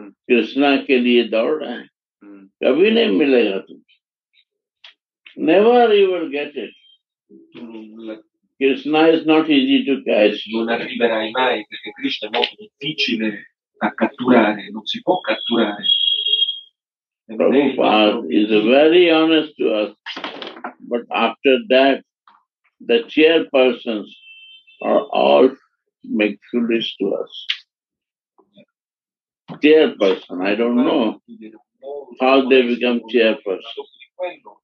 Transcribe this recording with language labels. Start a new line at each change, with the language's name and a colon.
Hindi: कृष्णा के लिए दौड़ रहे हैं कभी नहीं मिलेगा तुम
English: never you will get it Krishna is not easy to catch
Italian: नॉन अरिवेराय माय perché Krishna è molto difficile da catturare non si può catturare
English: Prabhupada is very honest to us but after that the chairpersons are all make foolish to us Chairperson, I don't know how they become chairperson.